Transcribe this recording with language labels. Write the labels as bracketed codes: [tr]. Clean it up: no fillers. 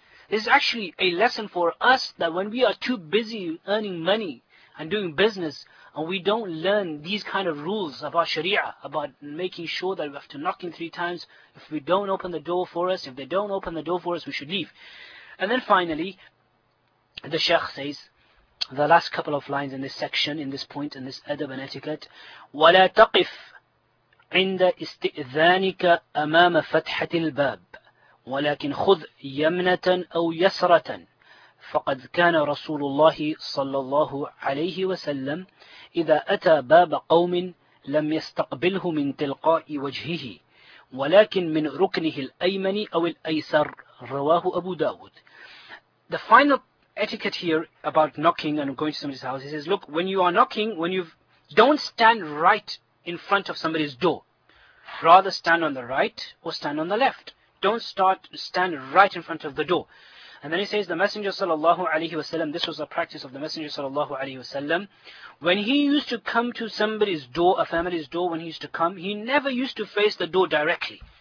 [en] This is actually a lesson for us that when we are too busy earning money and doing business, and we don't learn these kind of rules about Sharia, about making sure that after knocking three times, if we don't open the door for us, if they don't open the door for us, we should leave. And then finally, the Sheikh says, the last couple of lines in this section, in this point, in this adab and etiquette, [ar] وَلَا تَقِفْ عِنْدَ إِسْتِئْذَانِكَ أَمَامَ فَتْحَةِ الْبَابِ وَلَكِنْ خُذْ يَمْنَةً أَوْ يَسْرَةً فَقَدْ كَانَ رَسُولُ اللَّهِ صَلَّى اللَّهُ عَلَيْهِ وَسَلَّمْ إِذَا أَتَى بَابَ قَوْمٍ لَمْ يَسْتَقْبِلْهُ مِنْ تِلْقَاءِ وَجْهِهِ وَلَكِنْ مِنْ رُكْنِهِ الْأَيْمَنِ أَوْ الْأَيْسَرِ رواه أبو داود. [en] The final etiquette here about knocking and going to somebody's house, he says, look, when you are knocking, don't stand right in front of somebody's door. Rather stand on the right or stand on the left. Don't stand right in front of the door. And then he says, the Messenger sallallahu alayhi wa sallam, this was a practice of the Messenger sallallahu alayhi wa sallam, when he used to come to somebody's door, a family's door, when he used to come, he never used to face the door directly.